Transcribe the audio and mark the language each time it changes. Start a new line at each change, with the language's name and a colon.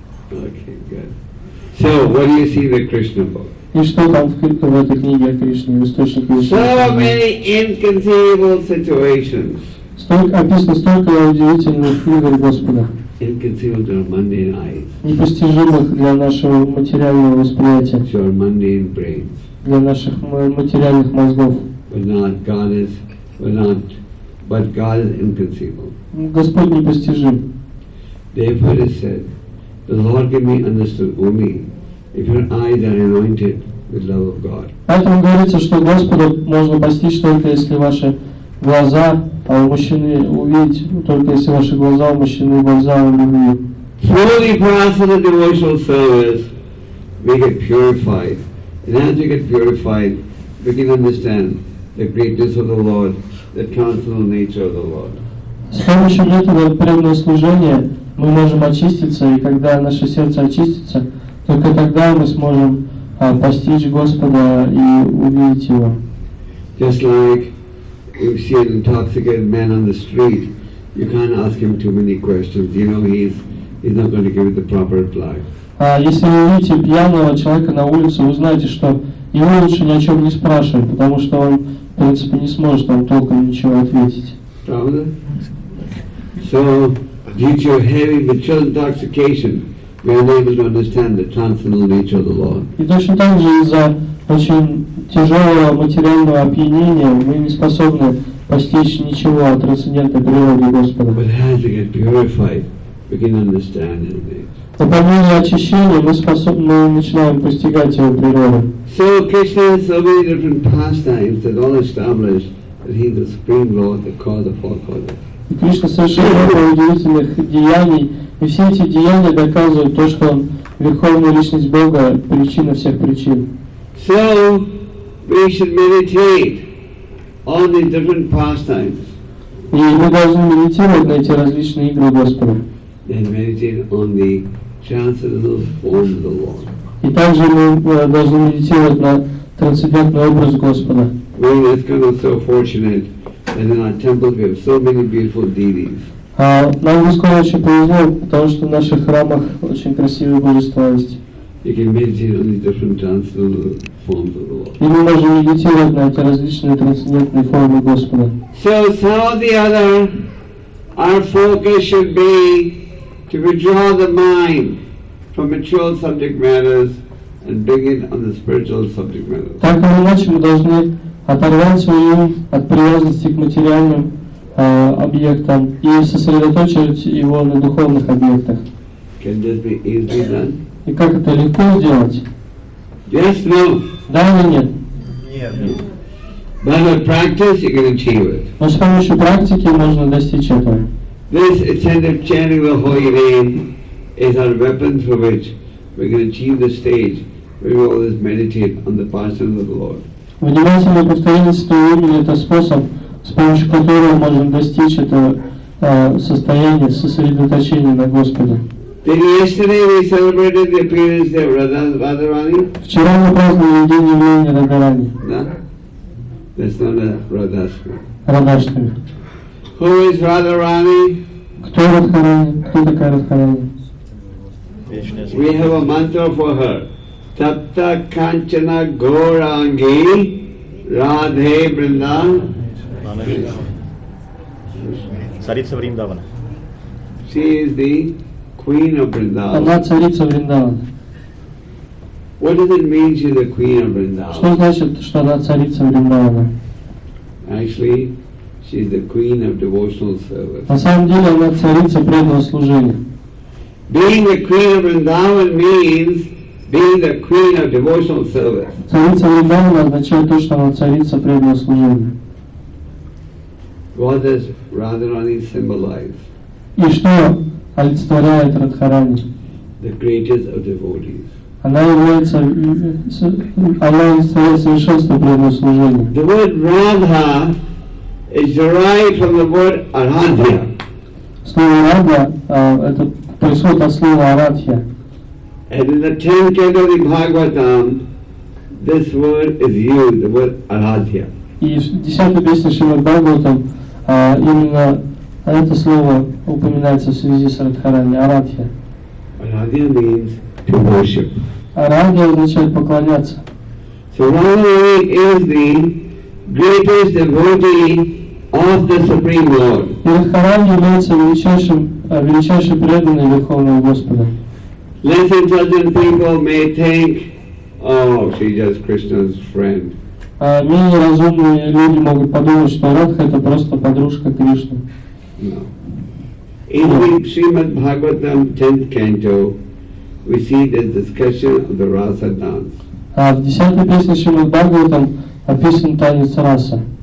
English: Okay, good. So, what do you see in the Krishna book?
Russian: И что там вкрыто в этой книге о Кришне, в источнике Кришны?
English: So many inconceivable situations.
Russian: Столько описано, столько удивительных игр Господа.
English: Inconceivable to our mundane eyes.
Russian: Непостижимых для нашего материального восприятия.
English: To our mundane brains.
Russian: Для наших материальных мозгов.
English: But not God is, but not, but God is inconceivable.
Russian: Господь непостижим.
English: Therefore it said, the Lord can be understood only if your eyes are anointed with love of God.
Russian: Поэтому говорится, что Господа можно постичь только если ваши глаза, а у мужчины увидеть, только если ваши глаза у мужчины глаза у любви.
English: Fully practice the devotional service, we get purified. And as we get purified, we can understand the greatness of the Lord, the transcendental nature of the Lord.
Russian: С помощью метода преданного служения мы можем очиститься, и когда наше сердце очистится, только тогда мы сможем постичь Господа и увидеть Его.
English: Just like you see an intoxicated man on the street, you can't ask him too many questions. You know he's not going to give you the proper reply.
Russian: Если вы увидите пьяного человека на улице, вы знаете, что его лучше ни о чем не спрашивать, потому что он, в принципе, не сможет вам толком ничего ответить. Правда?
English: So, due to heavy material intoxication, we are unable to understand the transcendental nature of the Lord.
Russian: И точно так же из-за очень тяжелого материального опьянения мы не способны постичь ничего о трансцендентной природе Господа.
English: But as we get purified, we can understand it.
Russian: Но по мере очищения мы способны, мы начинаем постигать его природу.
English: So Krishna has so many different pastimes that all establish that he is the supreme Lord, the cause of all causes.
Russian: И Кришна совершенно много удивительных деяний. И все эти деяния доказывают то, что Он Верховная Личность Бога, причина всех причин.
English: So, we should meditate on the different pastimes.
Russian: И мы должны медитировать на эти различные игры Господа.
English: And meditate on the transcendental form of the Lord.
Russian: И также мы должны медитировать на трансцендентный образ Господа.
English: We are kind of so fortunate that in our temples we have so many beautiful deities.
Russian: Нам бы скоро очень повезло, потому что в наших храмах очень красивые божества есть. И мы можем медитировать на эти различные трансцендентные формы Господа.
English: So, some or the other, our focus should be to withdraw the mind from material subject matters and bring it on the spiritual subject matters.
Russian: Так или иначе, мы должны оторвать свой ум от привязанности к материальным объектом и сосредоточивать его на духовных объектах.
English: Can this be easily done?
Russian: И как это легко сделать?
English: Yes, no.
Russian: Да или нет? Нет.
English: But with practice, you can achieve it.
Russian: Но с помощью практики можно достичь этого.
English: This attentive chanting of the holy name is our weapon through which we can achieve the stage where we always meditate on the person of the Lord.
Russian: Внимательное повторение состояния — это способ, с помощью которого можем достичь этого состояния сосредоточения на Господе.
English: Then yesterday we celebrated the appearance of Radharani.
Russian: Вчера мы праздновали день явления Радхарани. Да?
English: That's not a Radhashtami.
Russian: Радхарани.
English: Who is Radharani?
Russian: Кто Радхарани? Кто такая Радхарани?
English: We have a mantra for her.
Sanskrit: Tapta Kanchana Gaurangi Radhe Vrindavan.
Russian: Царица Вриндавана.
English: She is the queen of Vrindavan.
Russian: Она царица Вриндавана.
English: What does it mean she is the queen of Vrindavan?
Russian: Что значит, что она царица Вриндавана?
English: Actually, she is the queen of devotional service.
Russian: На самом деле она царица преданного служения.
English: Being the queen of Vrindavan means being the queen of devotional service.
Russian: Царица Вриндавана означает то, что она царица преданного служения.
English: What does Radharani symbolize?
Russian: И что олицетворяет Радхарани?
English: The greatest of devotees.
Russian: Она является, она олицетворяет совершенство преданного служения.
English: The word Radha is derived from the word Aradhya.
Russian: Слово Радха это происходит от слова Арадхья.
English: And in the 10th canto of the Bhagavatam, this word is used, the word Aradhya.
Russian: И в 10-й песне Шримад Бхагаватам именно это слово упоминается в связи с Радхарани, Арадхья.
English: Arādhya means to worship.
Russian: Arādhya означает поклоняться.
English: So Radharani is the greatest devotee of the Supreme Lord.
Russian: И Радхарани является величайшим преданным Верховного Господа.
English: Less intelligent people may think, oh, she's just Krishna's friend.
Russian: Менее разумные люди могут подумать, что Радха — это просто подружка Кришны.
English: No. In the Srimad Bhagavatam 10th canto, we see the discussion of the Rasa dance. В 10-й песне Шримад Бхагаватам описан танец Раса.